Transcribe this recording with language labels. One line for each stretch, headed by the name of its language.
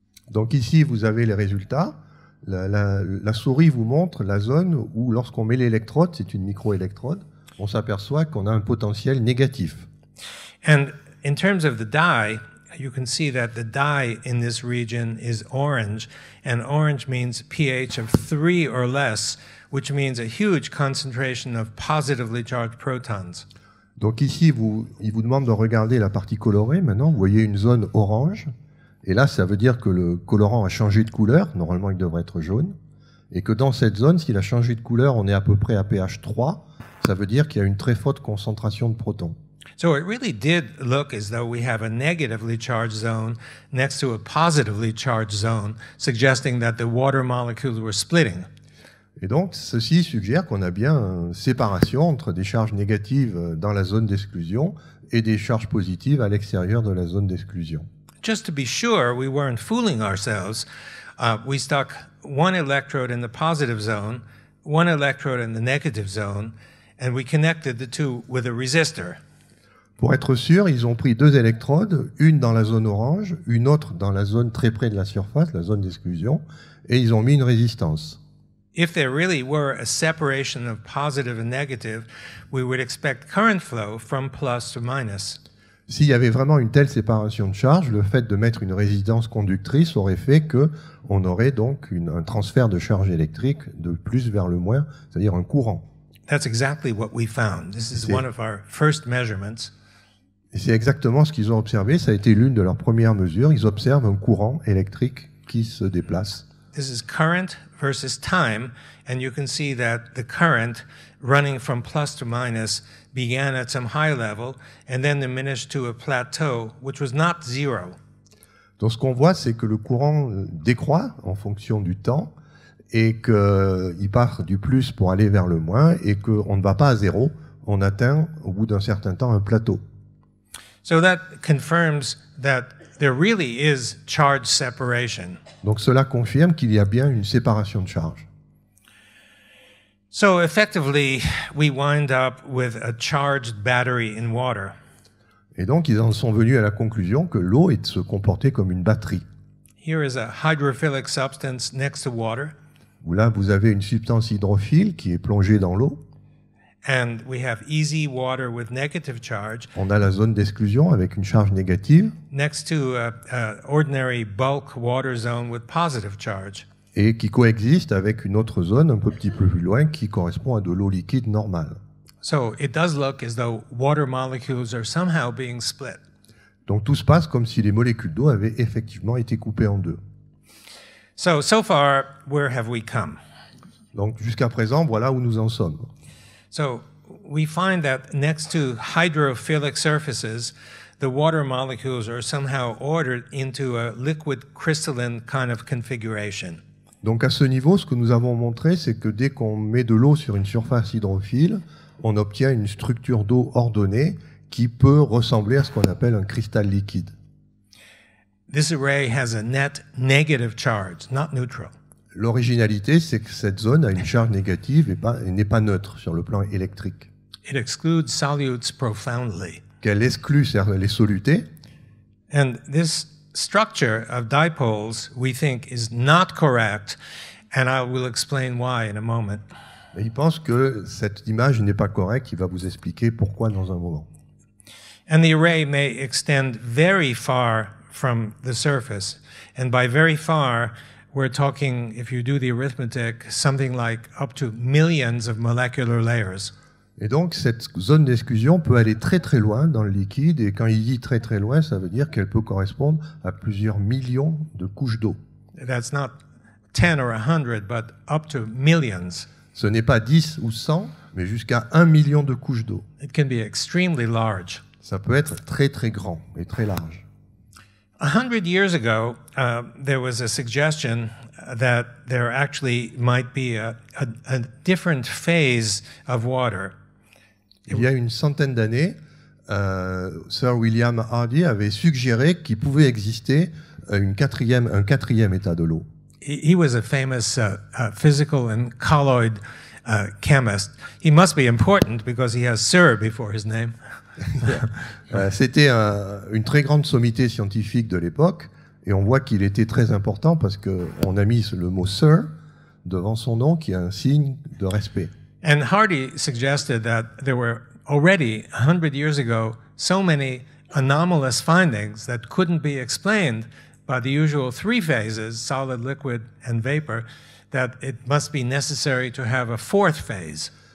French: Donc ici, vous avez les résultats. La souris vous montre la zone où, lorsqu'on met l'électrode, c'est une microélectrode, on s'aperçoit qu'on a un potentiel négatif.
English: And in terms of the dye, you can see that the dye in this region is orange, and orange means pH of 3 or less, which means a huge concentration of positively charged protons.
French: Donc ici, il vous demande de regarder la partie colorée. Maintenant, vous voyez une zone orange. Et là, ça veut dire que le colorant a changé de couleur. Normalement, il devrait être jaune. Et que dans cette zone, s'il a changé de couleur, on est à peu près à pH 3. Ça veut dire qu'il y a une très forte concentration de protons.
English: So it really did look as though we have a negatively charged zone next to a positively charged zone, suggesting that the water molecules were splitting.
French: Et donc, ceci suggère qu'on a bien une séparation entre des charges négatives dans la zone d'exclusion et des charges positives à l'extérieur de la zone d'exclusion.
English: Just to be sure we weren't fooling ourselves, we stuck one electrode in the positive zone, one electrode in the negative zone, and we connected the two with a resistor.
French: Pour être sûr, ils ont pris deux électrodes, une dans la zone orange, une autre dans la zone très près de la surface, la zone d'exclusion, et ils ont mis une résistance.
English: If there really were a separation of positive and negative, we would expect current flow from plus to minus.
French: S'il y avait vraiment une telle séparation de charge, le fait de mettre une résistance conductrice aurait fait qu'on aurait donc un transfert de charge électrique de plus vers le moins, c'est-à-dire un courant.
English: That's exactly what we found. This is one of our first measurements.
French: Et c'est exactement ce qu'ils ont observé. Ça a été l'une de leurs premières mesures. Ils observent un courant électrique qui se déplace.
English: This is current versus time, and you can see that the current running from plus to minus began at some high level and then diminished to a plateau which was not zero.
French: Donc ce qu'on voit, c'est que le courant décroît en fonction du temps et que il part du plus pour aller vers le moins et que on ne va pas à zéro, on atteint au bout d'un certain temps un plateau.
English: So that confirms that there really is charge separation.
French: Donc cela confirme qu'il y a bien une séparation de charge.
English: So effectively, we wind up with a charged battery in water.
French: Et donc, ils en sont venus à la conclusion que l'eau est de se comporter comme une batterie.
English: Here is a hydrophilic substance next to water.
French: Là, vous avez une substance hydrophile qui est plongée dans l'eau.
English: And we have easy water with negative charge.
French: On a la zone d'exclusion avec une charge négative.
English: Next to an ordinary bulk water zone with positive charge.
French: Et qui coexiste avec une autre zone un peu petit peu plus loin qui correspond à de l'eau liquide normale.
English: So it does look as though water molecules are somehow being split.
French: Donc tout se passe comme si les molécules d'eau avaient effectivement été coupées en deux.
English: So far, where have we come?
French: Donc jusqu'à présent, voilà où nous en sommes.
English: So we find that next to hydrophilic surfaces, the water molecules are somehow ordered into a liquid crystalline kind of configuration.
French: Donc à ce niveau, ce que nous avons montré, c'est que dès qu'on met de l'eau sur une surface hydrophile, on obtient une structure d'eau ordonnée qui peut ressembler à ce qu'on appelle un cristal liquide.
English: This array has a net negative charge, not neutral.
French: L'originalité, c'est que cette zone a une charge négative et n'est pas neutre sur le plan électrique.
English: It excludes solutes profoundly.
French: Qu'elle exclut les solutés.
English: And this structure of dipoles, we think, is not correct, and I will explain why in a moment.
French: Mais il pense que cette image n'est pas correcte, il va vous expliquer pourquoi dans un moment.
English: And the array may extend very far from the surface, and by very far, we're talking, if you do the arithmetic, something like up to millions of molecular layers.
French: Et donc, cette zone d'exclusion peut aller très très loin dans le liquide, et quand il dit très très loin, ça veut dire qu'elle peut correspondre à plusieurs millions de couches d'eau.
English: That's not 10 or 100, but up to millions.
French: Ce n'est pas 10 ou 100, mais jusqu'à 1 million de couches d'eau.
English: It can be extremely large.
French: Ça peut être très très grand et très large.
English: 100 years ago, there was a suggestion that there actually might be a different phase of water.
French: Il y a une centaine d'années, Sir William Hardy avait suggéré qu'il pouvait exister un quatrième état de l'eau.
English: He was a famous physical and colloid chemist. He must be important because he has Sir before his name.
French: C'était une très grande sommité scientifique de l'époque, et on voit qu'il était très important parce qu'on a mis le mot Sir devant son nom, qui est un signe de respect.
English: And Hardy suggested that there were already 100 years ago so many anomalous findings that couldn't be explained by the usual three phases, solid, liquid and vapor, that it must be necessary to have a fourth phase.